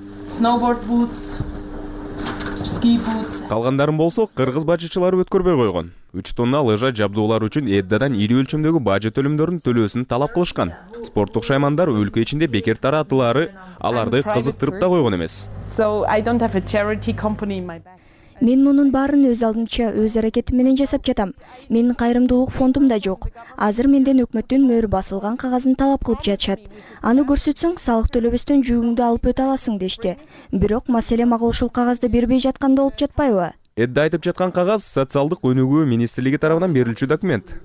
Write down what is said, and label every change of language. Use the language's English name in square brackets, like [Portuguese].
[English] Snowboard boots, ski boots. [Kyrgyz] Калгандарын болсо кыргыз бажычылары өткөрбөй койгон. 3 тонна лыжа жабдуулары үчүн Эддадан ири өлчөмдөгү бажы төлөмдөрүн төлөөсүн талап кылышкан. Спорттук шаймандар өлкө ичинде бекер таратылары аларды кызыктырып да койгон эмес. [English] So I don't have a charity company in my bag. [Kyrgyz] Мен мунун баарын өз алдымча өз аракетим менен жасап жатам. Менин кайрымдуулук фондум да жок. Азыр менден өкмөттүн мөрү басылган кагазын талап кылып жатышат. Аны көрсөтсөң, салык төлөбөстөн жүгүңдү алып өтө аласың дешти. Бирок маселе мага ушул кагазды бербей жатканда болуп жатпайбы? Эдди айтып жаткан кагаз социалдык өнүгүү министрлиги тарабынан берилчү документ.